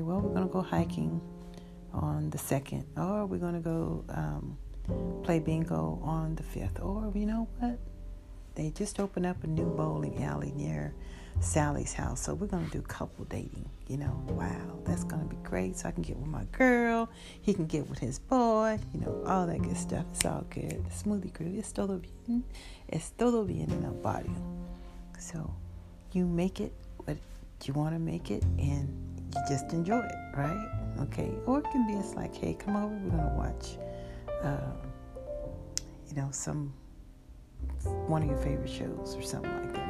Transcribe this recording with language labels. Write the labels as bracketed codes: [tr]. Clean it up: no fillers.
[en] Well, we're going to go hiking on the 2nd, or we're going to go play bingo on the 5th, or you know what? They just opened up a new bowling alley near Sally's house, so we're going to do couple dating, you know. Wow, that's going to be great. So I can get with my girl, he can get with his boy, you know, all that good stuff. It's all good. [es] Smoothie crew, es todo bien en el barrio. [en] So you make it what you want to make it, and you just enjoy it, right? Okay, or it can be just like, hey, come over, we're going to watch, you know, some one of your favorite shows or something like that.